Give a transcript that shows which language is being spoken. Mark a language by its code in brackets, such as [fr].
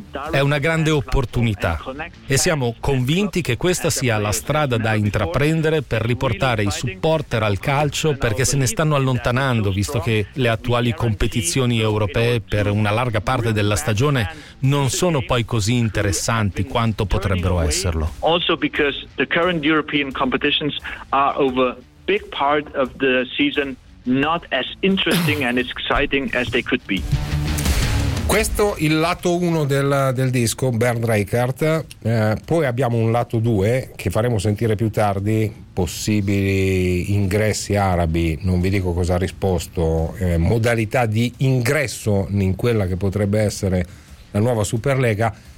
[it] È una grande opportunità e siamo convinti che questa sia la strada da intraprendere per riportare i supporter al calcio, perché se ne stanno allontanando, visto che le attuali competizioni europee per una larga parte della stagione non sono poi così interessanti quanto potrebbero esserlo. [en] Also because the current European competitions are over big part of the season not as interesting and as exciting as they could be. [it] Questo il lato 1 del disco, Bernd Reichert. Poi abbiamo un lato 2 che faremo sentire più tardi, possibili ingressi arabi, non vi dico cosa ha risposto, modalità di ingresso in quella che potrebbe essere la nuova Superlega.